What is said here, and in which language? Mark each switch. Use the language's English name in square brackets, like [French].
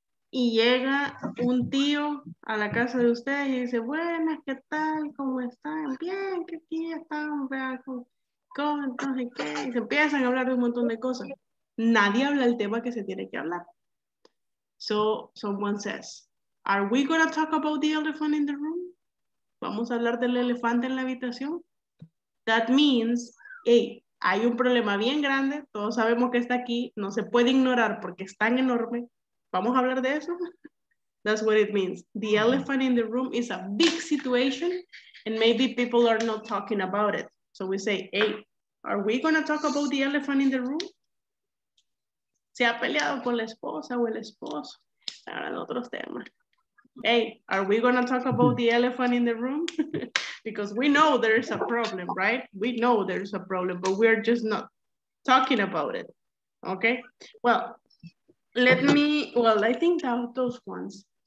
[Spanish] Y llega un tío a la casa de ustedes y dice, buenas, ¿qué tal? ¿Cómo están? Bien, ¿qué aquí están? ¿Vean? ¿Cómo? Entonces, ¿qué? Y se empiezan a hablar de un montón de cosas. Nadie habla el tema que se tiene que hablar. [English] So, someone says, are we going to talk about the elephant in the room? [Spanish] ¿Vamos a hablar del elefante en la habitación? [English] That means, hey, [Spanish] hay un problema bien grande. Todos sabemos que está aquí. No se puede ignorar porque es tan enorme. ¿Vamos a hablar de eso? [English] That's what it means. The elephant in the room is a big situation and maybe people are not talking about it. So we say, hey, are we going to talk about the elephant in the room? [Spanish] ¿Se ha peleado con la esposa o el esposo? Ahora en otros temas. [English] Hey, are we going to talk about the elephant in the room? Because we know there is a problem, right? We know there is a problem, but we're just not talking about it. Okay? Well, I think that those ones.